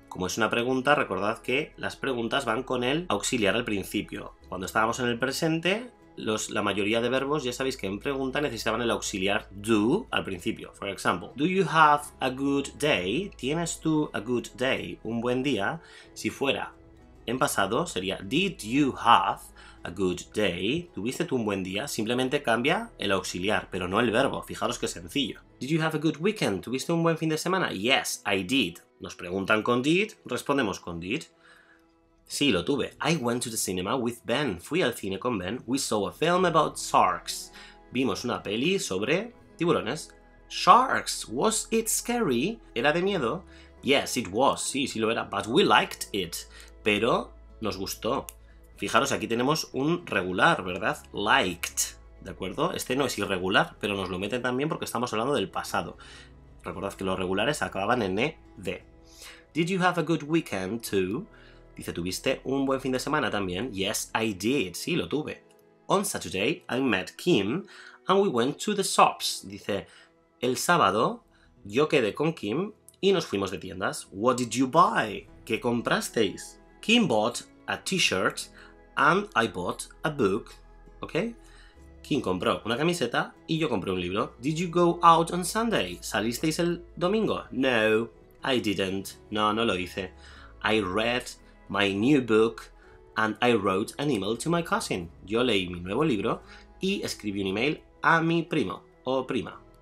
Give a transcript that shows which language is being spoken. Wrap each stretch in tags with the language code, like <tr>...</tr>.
<es>Como es una pregunta, recordad que las preguntas van con el auxiliar al principio. Cuando estábamos en el presente, la mayoría de verbos, ya sabéis que en pregunta necesitaban el auxiliar do al principio.</es> <en>For example, do you have a good day?</en> <es>¿Tienes tú</es> <en>a good day?</en> <es>Un buen día. Si fuera en pasado, sería</es> <en>did you have a good day,</en> <es>tuviste tú un buen día, simplemente cambia el auxiliar, pero no el verbo. Fijaros qué sencillo.</es> <en>Did you have a good weekend?</en> <es>¿Tuviste un buen fin de semana?</es> <en>Yes, I did.</en> <es>Nos preguntan con did, respondemos con did. Sí, lo tuve.</es> <en>I went to the cinema with Ben.</en> <es>Fui al cine con Ben.</es> <en>We saw a film about sharks.</en> <es>Vimos una peli sobre tiburones. Sharks!</es> <en>Was it scary?</en> <es>¿Era de miedo?</es> <en>Yes, it was.</en> <es>Sí, sí lo era.</es> <en>But we liked it.</en> <es>Pero nos gustó. Fijaros, aquí tenemos un regular, ¿verdad? Liked. ¿De acuerdo? Este no es irregular, pero nos lo meten también porque estamos hablando del pasado. Recordad que los regulares acababan en ed.</es> <en>Did you have a good weekend too?</en> <es>Dice, ¿tuviste un buen fin de semana también?</es> <en>Yes, I did.</en> <es>Sí, lo tuve.</es> <en>On Saturday, I met Kim and we went to the shops.</en> <es>Dice, el sábado yo quedé con Kim y nos fuimos de tiendas.</es> <en>What did you buy?</en> <es>¿Qué comprasteis?</es> <en>Kim bought a t-shirt and I bought a book. ¿Ok?</en> <es>Kim compró una camiseta y yo compré un libro.</es> <en>Did you go out on Sunday?</en> <es>¿Salisteis el domingo?</es> <en>No, I didn't.</en> <es>No, no lo hice.</es> <en>I read my new book and I wrote an email to my cousin.</en> <es>Yo leí mi nuevo libro y escribí un email a mi primo o prima.</es>